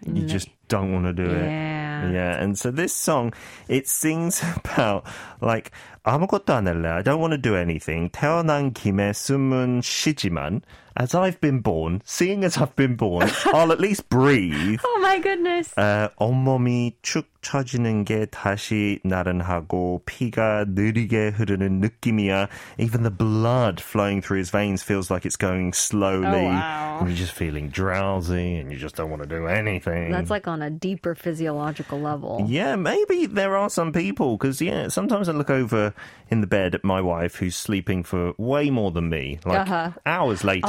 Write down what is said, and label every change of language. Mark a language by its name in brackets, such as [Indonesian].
[English] You just don't want to do it. Yeah. Yeah, and so this song, it sings about, like, [Korean] 아무것도 안 할래, [English] I don't want to do anything. [Korean] 태어난 김에 숨은 쉬지만, [English] as I've been born, seeing as I've been born, I'll at least breathe. Oh my goodness. [Korean] 온몸이 축 처지는 게 다시 나른하고 피가 느리게 흐르는 느낌이야. [English] Even the blood flowing through his veins feels like it's going slowly. Oh, wow. And you're just feeling drowsy and you just don't want to do anything. That's like on a deeper physiological level. Yeah, maybe there are some people, because yeah, sometimes I look over in the bed at my wife who's sleeping for way more than me, like hours later.